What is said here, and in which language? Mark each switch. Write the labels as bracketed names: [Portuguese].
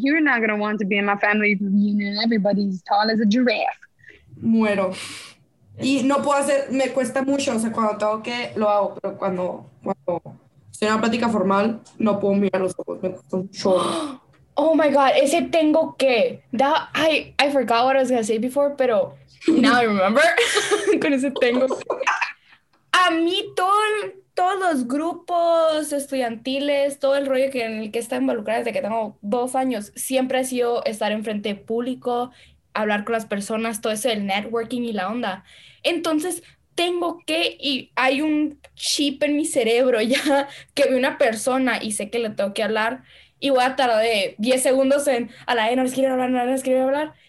[English] You're not going to want to be in my family reunion. Everybody's tall as a giraffe. [Spanish] Muero. Y no puedo hacer, me cuesta mucho, o sea, cuando tengo que, lo hago, pero cuando, cuando estoy en una plática formal, no puedo mirar los ojos, me cuesta un chorro. [English] Oh my God, [Spanish] ese tengo que. [English] That, I forgot what I was going to say before, [Spanish] pero [English] now I remember. [Spanish] Con ese tengo. A mí, todos los grupos estudiantiles, todo el rollo que, en el que está involucrado desde que tengo 2 años, siempre ha sido estar enfrente de público, hablar con las personas, todo eso del networking y la onda. Entonces, tengo que, y hay un chip en mi cerebro ya, que veo una persona y sé que le tengo que hablar, y voy a tardar de 10 segundos en, a la no les quiero hablar, no les quiero hablar.